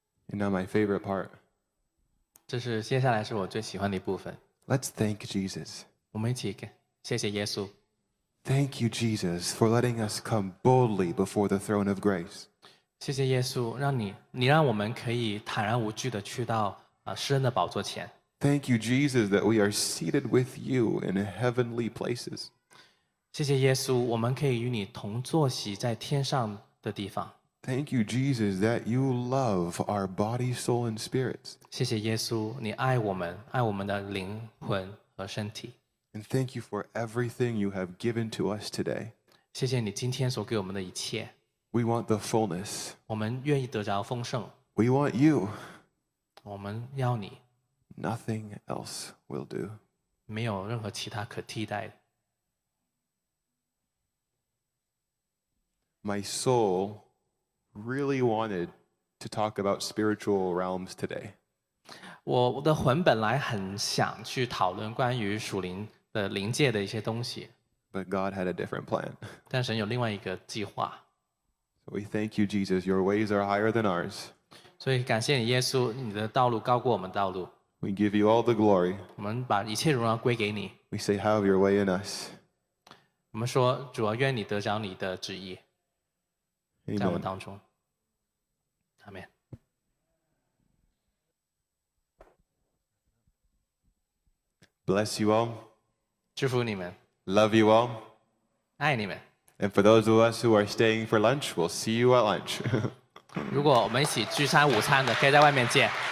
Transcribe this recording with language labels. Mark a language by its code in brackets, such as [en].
[en] And now my favorite part. [zh] 这是接下来是我最喜欢的一部分。 [en] Let's thank Jesus. [zh] 我们一起谢谢耶稣。 [en] Thank you, Jesus, for letting us come boldly before the throne of grace. [zh] 谢谢耶稣，让你让我们可以坦然无惧地去到施恩的宝座前。 [en] Thank you, Jesus, that we are seated with you in heavenly places. [zh] 谢谢耶稣，我们可以与你同坐席在天上的地方。 [en] Thank you, Jesus, that you love our body, soul, and spirits. [zh] 谢谢耶稣，你爱我们，爱我们的灵魂和身体。 [en] And thank you for everything you have given to us today. [zh] 谢谢你今天所给我们的一切。 [en] We want the fullness. [zh] 我们愿意得着丰盛。 [en] We want you. [zh] 我们要你。 [en] Nothing else will do. [zh] 没有任何其他可替代的。 [en] My soul really wanted to talk about spiritual realms today. [zh] 我的魂本来很想去讨论关于属灵的灵界的一些东西。 [en] But God had a different plan. [zh] 但神有另外一个计划。 [en] We thank you, Jesus. Your ways are higher than ours. [zh] 所以感谢你耶稣，你的道路高过我们道路。 [en] We give you all the glory. [zh] 我们把一切荣耀归给你。 [en] We say, have your way in us. [zh] 我们说，主啊，愿你得着你的旨意。 [en] Amen. [zh] 在我们当中。Amen. [en] Bless you all. [zh] 祝福你们。 [en] Love you all. [zh] 爱你们。 [en] And for those of us who are staying for lunch, we'll see you at lunch. [zh] 如果我们一起聚餐午餐的，可以在外面见。